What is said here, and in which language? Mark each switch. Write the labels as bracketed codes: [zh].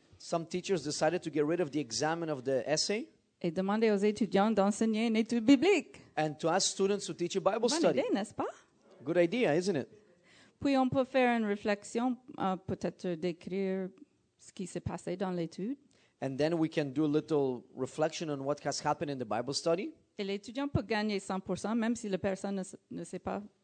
[en] Some teachers decided to get rid of the exam of the essay. [fr] Et demander aux étudiants d'enseigner une étude biblique. [en] And to ask students to teach a Bible study. [fr] Bonne idée, n'est-ce pas? [en] Good idea, isn't it? [fr] Puis on peut faire une réflexion, peut-être décrire ce qui s'est passé dans l'étude. [en] And then we can do a little reflection on what has happened in the Bible study. [fr] Et l'étudiant peut gagner 100% même si la personne ne sait pas.